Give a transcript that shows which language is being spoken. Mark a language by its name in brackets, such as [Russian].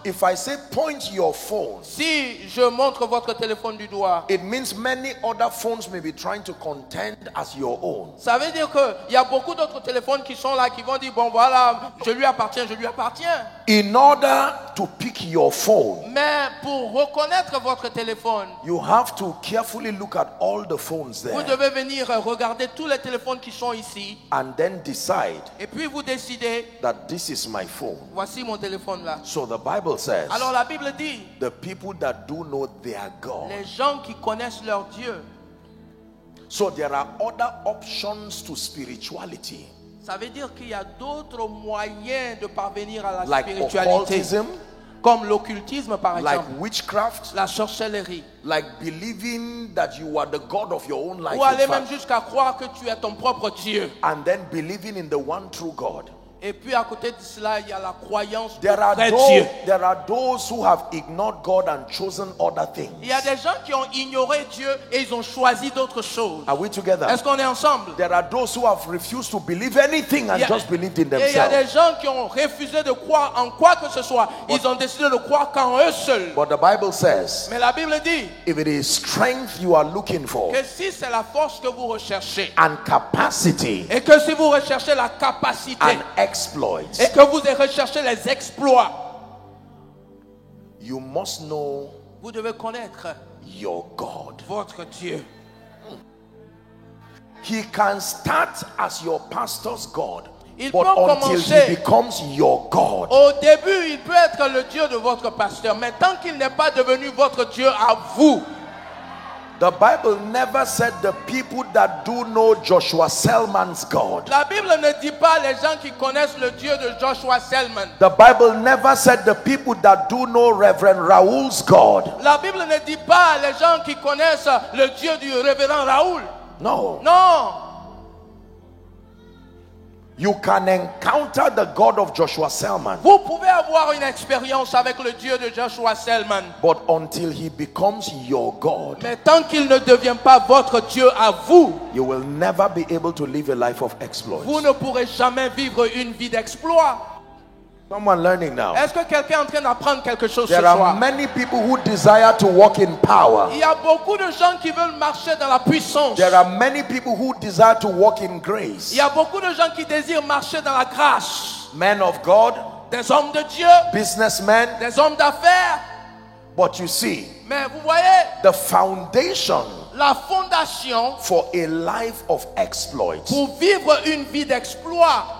[English] If I say point your phone, [French] si je montre votre téléphone du doigt, [English] it means many other phones may be trying to contend as your own. [French] Ça veut dire que il y a beaucoup d'autres téléphones qui sont là qui vont dire bon voilà, je lui appartiens, je lui appartiens. [English] In order to pick your phone, [French] mais pour reconnaître votre téléphone, [English] you have to carefully look at all the phones there. [French] Vous devez venir regarder tous les téléphones qui sont ici, [English] and then decide. [French] Et puis vous décidez, [English] that this is my phone. [French] Voici mon téléphone là. [English] So the Bible says. [French] Alors la Bible dit. [English] The people that do know their God. [French] Les gens qui connaissent leur Dieu. [English] So there are other options to spirituality. [French] Ça veut dire qu'il y a d'autres moyens de parvenir à la [English] like [French] spiritualité, [English] occultism, [French] comme l'occultisme par exemple, [English] like witchcraft, [French] la sorcellerie, [English] like believing that you are the god of your own life, [French] ou aller même jusqu'à croire que tu es ton propre dieu, [English] and then believing in the one true God. [French] Et puis à côté de cela, il y a la croyance de vrai Dieu. [English] There are those who have ignored God and chosen other things. [French] Il y a des gens qui ont ignoré Dieu et ils ont choisi d'autres choses. [English] Are we together? [French] Est-ce qu'on est ensemble? [English] There are those who have refused to believe anything and just believed in themselves. [French] Il y a des gens qui ont refusé de croire en quoi que ce soit. Ils ont décidé de croire qu'en eux seuls. [English] But the Bible says, [French] mais la Bible dit, [English] if it is strength you are looking for, [French] que si c'est la force que vous recherchez, [English] and capacity, [French] et que si vous recherchez la capacité, [English] and exploits, [French] et que vous avez recherché les exploits, [English] you must know, [French] vous devez connaître, [English] your God, [French] votre Dieu. [English] He can start as your pastor's God, [French] il [English] but [French] peut [English] until [French] commencer, [English] he becomes your God, [French] au début il peut être le Dieu de votre pasteur, mais tant qu'il n'est pas devenu votre Dieu à vous. [English] The Bible never said the people that do know Joshua Selman's God. [French] La Bible ne dit pas les gens qui connaissent le Dieu de Joshua Selman. [English] The Bible never said the people that do know Reverend Raoul's God. [French] La Bible ne dit pas les gens qui connaissent le Dieu du Révérend Raoul. [English] No. No. You can encounter the God of Joshua Selman. [French] Vous pouvez avoir une expérience avec le Dieu de Joshua Selman. [English] But until he becomes your God, [French] mais tant qu'il ne devient pas votre Dieu à vous, [English] you will never be able to live a life of exploits. [French] Vous ne pourrez jamais vivre une vie d'exploit. [English] Someone learning now. [French] Est-ce que quelqu'un est en train d'apprendre quelque chose [English] there [French] ce soir? [English] There are many people who desire to walk in power. [French] Il y a beaucoup de gens qui veulent marcher dans la puissance. [English] There are many people who desire to walk in grace. [French] Il y a beaucoup de gens qui désirent marcher dans la grâce. [English] Men of God. [French] Des hommes de Dieu. [English] Businessmen. [French] Des hommes d'affaires. [English] But you see. [French] Mais vous voyez. [English] The foundation. [French] La fondation [English] for a life of exploits, [French] pour vivre une vie d'exploit,